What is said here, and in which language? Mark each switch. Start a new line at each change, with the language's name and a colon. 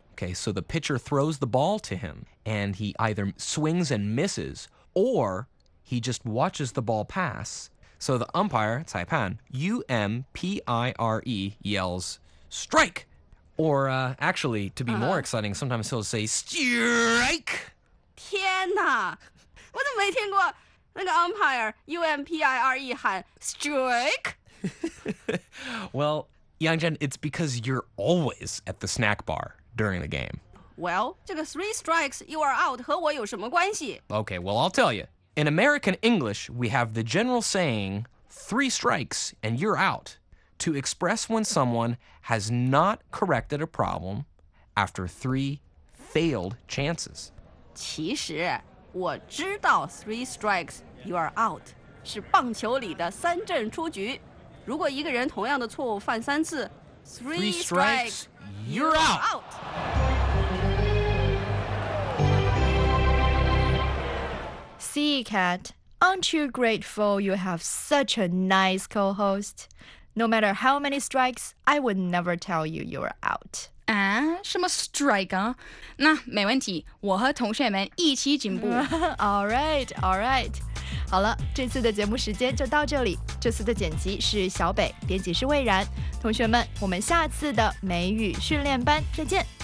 English: Okay, so the pitcher throws the ball to him, and he either swings and misses, or he just watches the ball pass. So the umpire, Caipan, U-M-P-I-R-E, yells, strike! Or actually, to be more exciting, sometimes he'll say, strike!
Chinese: 天哪，我怎么没听过那个 umpire, U-M-P-I-R-E, 喊 strike?
English: Well, Yangchen, it's because you're always at the snack bar. During the game.
Chinese: Well, 这个
English: three strikes, you are out
Chinese: 和我有什么关系?
English: Okay, well, I'll tell you. In American English, we have the general saying, three strikes and you're out, to express when someone has not corrected a problem after three failed chances.
Chinese: 其实我知道
English: three strikes, you are out,
Chinese: 是棒球里的三振出局。如果一个人同样的错误犯三次,
English: three strikes,You're out! 。 See, Kat, aren't you grateful you have such a nice co-host? No matter how many strikes, I would never tell you you're out.
Chinese: 啊，什么 strike 啊？那没问题，我和同学们一起进步。
English: All right.
Chinese: 好了，这次的节目时间就到这里。这次的剪辑是小北，编辑是魏然。同学们，我们下次的美语训练班再见。